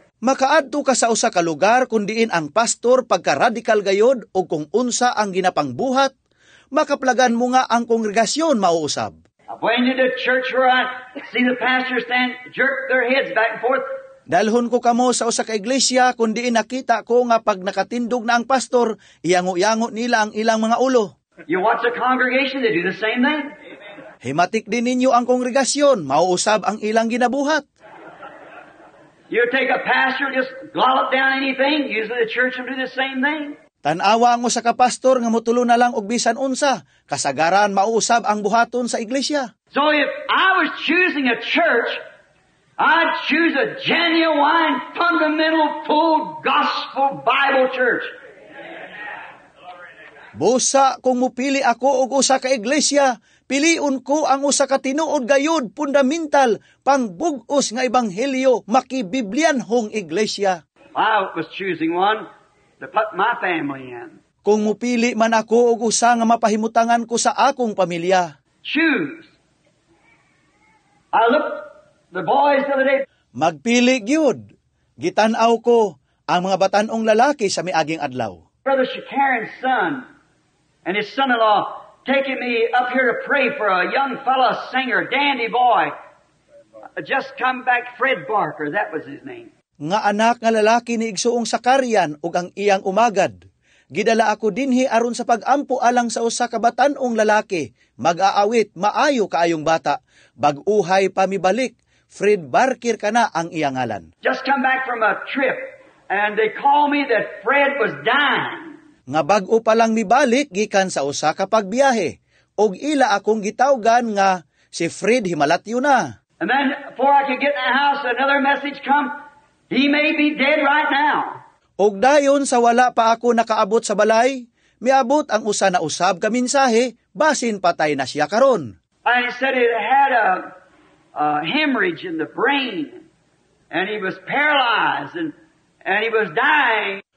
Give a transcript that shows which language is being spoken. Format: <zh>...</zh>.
<ceb>Makaadto ka sa usa ka lugar kundiin ang pastor pagka radical gayod o kung unsa ang ginapangbuhat, makaplagan mo nga ang kongregasyon mauusab.</ceb> <en>I went to the church where I see the pastor stand, jerk their heads back and forth.</en> <ceb>Dalhon ko kamo sa usa ka iglesia kundiin nakita ko nga pag nakatindog na ang pastor, iyango-iyango nila ang ilang mga ulo.</ceb> <en>You watch the congregation, they do the same thing.</en> <ceb>Himatik din ninyo ang kongregasyon, mauusab ang ilang ginabuhat.</ceb> <en>You take a pastor, just glollop down anything, usually the church will do the same thing.</en> <ceb>Tanawa ang usa ka pastor nga mutulo na lang og bisan unsa, kasagaran mauusab ang buhaton sa iglesia.</ceb> <en>So if I was choosing a church, I'd choose a genuine, fundamental, full gospel Bible church.</en> <ceb>Busa kung mupili ako og usa ka iglesia, piliun ko ang usa ka tinuod gayud fundamental pang bugos nga ebanghelyo makibiblianhong iglesia.</ceb> <en>I was choosing one to put my family in.</en> <ceb>Kung mupili man ako og usa nga mapahimutangan ko sa akong pamilya.</ceb> <en>Choose. I looked the boys the other day.</en> <ceb>Magpili gyud. Gitan-aw ko ang mga batanong lalaki sa miaging adlaw.</ceb> <en>Brother Shakarin's son and his son-in-law taking me up here to pray for a young fellow singer, dandy boy. Just come back, Fred Barker, that was his name.</en> <ceb>Nga anak nga lalaki ni Igsoong Sakarian ug ang iyang umagad. Gidala ako dinhi aron sa pag-ampo alang sa usa ka batan-ong lalaki. Mag-aawit, maayo kaayong bata. Baguhay pamibalik. Fred Barker kana ang iyang ngalan.</ceb> <en>Just come back from a trip and they call me that Fred was dying.</en> <ceb>Nga bag-o pa lang mibalik gikan sa usa ka pagbiyahe og ila akong gitawgan nga si Fred himalatyo na.</ceb> <en>And then before I could get in the house, another message come. He may be dead right now.</en> <ceb>Og dayon sa wala pa ako nakaabot sa balay, miabot ang usa na usab ka mensahe basin patay na siya karon.</ceb> <en>I said he had a hemorrhage in the brain and he was paralyzed and he was dying.</en>